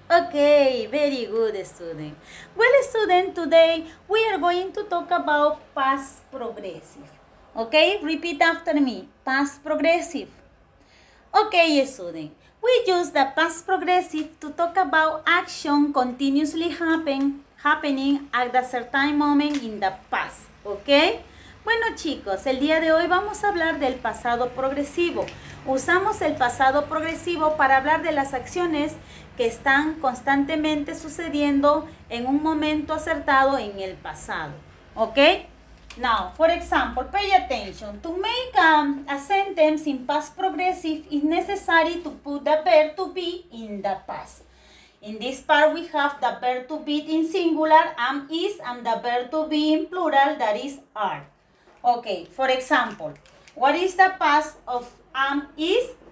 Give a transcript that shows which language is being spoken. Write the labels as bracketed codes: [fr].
[en] Okay, very good, student. Well, student, today we are going to talk about past progressive. Okay, repeat after me, past progressive. Okay, student, we use the past progressive to talk about action continuously happening at a certain moment in the past, okay? [es] Bueno, chicos, el día de hoy vamos a hablar del pasado progresivo. Usamos el pasado progresivo para hablar de las acciones que están constantemente sucediendo en un momento acertado en el pasado, okay? [en] Now, for example, pay attention. To make a sentence in past progressive, it's necessary to put the verb to be in the past. In this part, we have the verb to be in singular, am, is, and the verb to be in plural, that is, are. Okay, for example, what is the past of am, is?